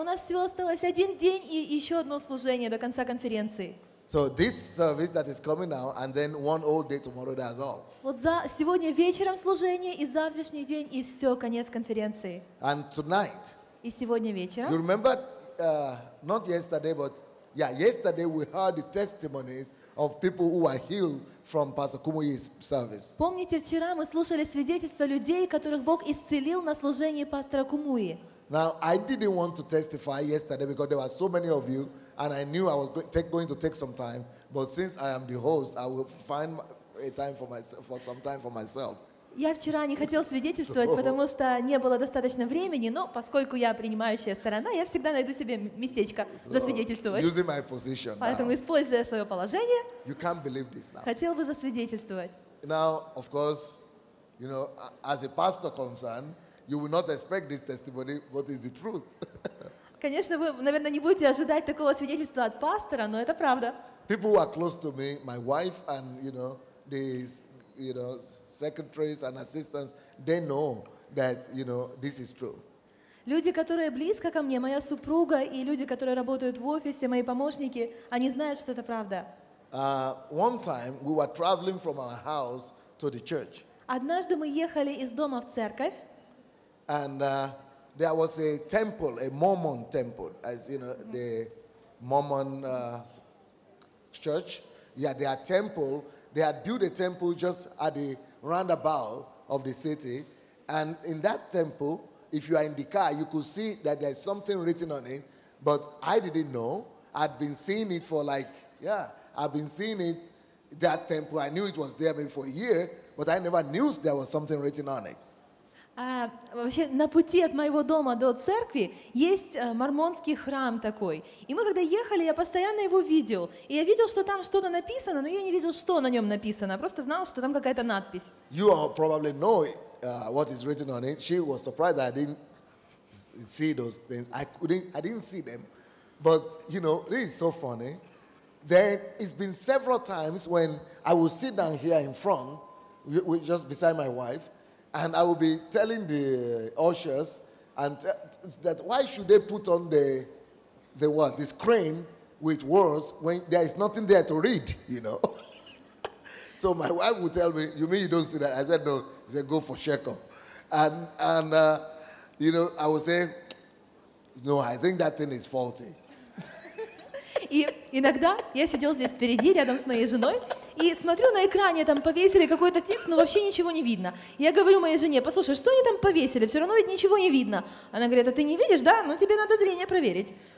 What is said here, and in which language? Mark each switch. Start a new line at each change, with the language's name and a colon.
Russian: У нас всего осталось один день и еще одно служение до конца конференции.
English: So this service that is coming now, and then one whole day tomorrow, that's all.
Russian: Вот за сегодня вечером служение и завтрашний день и все конец конференции.
English: And tonight.
Russian: И сегодня вечером.
English: You remember, not yesterday, but yeah, yesterday we heard the testimonies of people who are healed from Pastor Kumuyi's service.
Russian: Помните, вчера мы слушали свидетельства людей, которых Бог исцелил на служении пастора Кумуи.
English: Now I didn't want to testify yesterday because there were so many of you. And I knew I was going to take some time, but since I am the host, I will find a time for some time for myself.
Russian: Я вчера не хотел свидетельствовать, потому что не было достаточно времени. Но поскольку я принимающая сторона, я всегда найду себе местечко засвидетельствовать.
English: Using my position.
Russian: Поэтому используя свое положение.
English: You can't believe this now.
Russian: Хотел бы засвидетельствовать.
English: Now, of course, you know, as a pastor concerned, you will not expect this testimony, but it's the truth.
Russian: Конечно, вы, наверное, не будете ожидать такого свидетельства от пастора, но это правда.
English: People who are close to me, my wife and, you know, these, you know, secretaries and assistants, they know that, you know, this is true.
Russian: Люди, которые близко ко мне, моя супруга и люди, которые работают в офисе, мои помощники, они знают, что это правда.
English: One time we were traveling from our house to the church.
Russian: Однажды мы ехали из дома в церковь.
English: And there was a temple, a Mormon temple, as you know, the Mormon church. Yeah, their temple, they had built a temple just at the roundabout of the city. And in that temple, if you are in the car, you could see that there is something written on it. But I didn't know. I'd been seeing it for like, yeah, I've been seeing it, that temple. I knew it was there maybe for a year, but I never knew there was something written on it.
Russian: Вообще, на пути от моего дома до церкви есть мормонский храм такой. И мы когда ехали, я постоянно его видел. И я видел, что там что-то написано, но я не видел, что на нем написано. Просто знал, что там какая-то надпись.
English: You probably know what is written on it. She was surprised that I didn't see those things. I didn't see them. But, you know, this is so funny. Then it's been several times when I will sit down here in front, just beside my wife, and I will be telling the ushers and that why should they put on the screen with words when there is nothing there to read, you know? So my wife would tell me, you mean you don't see that? I said, no. He said, go for checkup. And you know, I would say, no, I think that thing is faulty.
Russian: И иногда я сидел здесь впереди, рядом с моей женой, и смотрю на экране, там повесили какой-то текст, но вообще ничего не видно. Я говорю моей жене, послушай, что они там повесили? Все равно ведь ничего не видно. Она говорит, а ты не видишь, да? Ну, тебе надо зрение проверить.